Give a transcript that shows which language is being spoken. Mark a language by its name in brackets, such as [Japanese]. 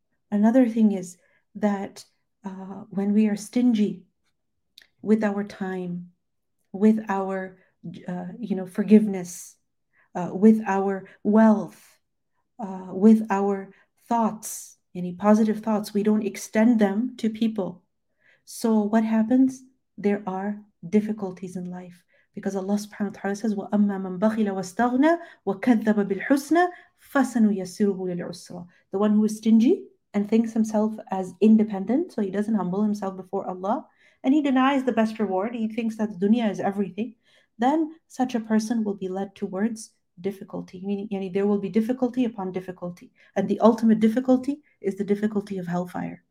[English] Another thing is that when we are stingy with our time, with our forgiveness, with our wealth, with our thoughts, any positive thoughts, we don't extend them to people. So what happens? There are difficulties in life. Because Allah subhanahu wa ta'ala says, [Arabic] وَأَمَّا مَنْ بَخِلَ وَاسْتَغْنَى وَكَذَّبَ بِالْحُسْنَى فَسَنُيَسِّرُهُ لِلْعُسْرَى. [English] The one who is stingy and thinks himself as independent, so he doesn't humble himself before Allah, and he denies the best reward, he thinks that dunya is everything, then such a person will be led towards difficulty. Meaning, there will be difficulty upon difficulty. And the ultimate difficulty is the difficulty of hellfire.